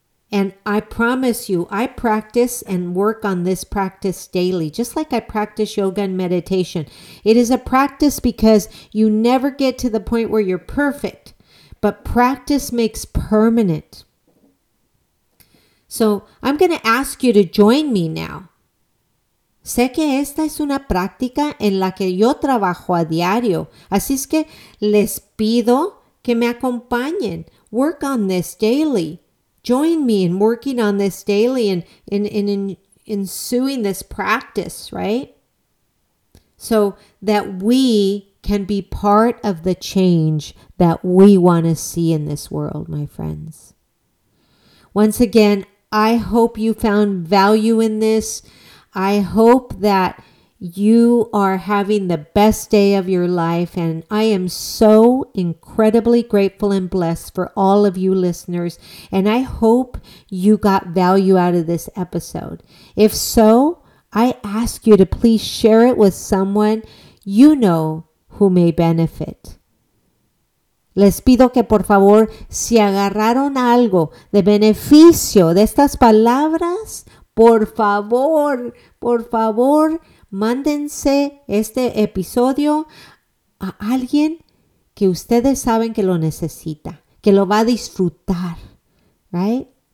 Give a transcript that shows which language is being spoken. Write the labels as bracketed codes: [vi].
[en] And I promise you, I practice and work on this practice daily, just like I practice yoga and meditation. It is a practice because you never get to the point where you're perfect. But practice makes permanent. So I'm going to ask you to join me now. [es] Sé que esta es una práctica en la que yo trabajo a diario. Así es que les pido que me acompañen. Work on this daily. [en] Join me in working on this daily and in ensuing this practice, right? So that we can be part of the change that we want to see in this world, my friends. Once again, I hope you found value in this. I hope that you are having the best day of your life. And I am so incredibly grateful and blessed for all of you listeners. And I hope you got value out of this episode. If so, I ask you to please share it with someone you know who may benefit. [es] Les pido que por favor, si agarraron algo de beneficio de estas palabras, por favor, mándense este episodio a alguien que ustedes saben que lo necesita, que lo va a disfrutar, right?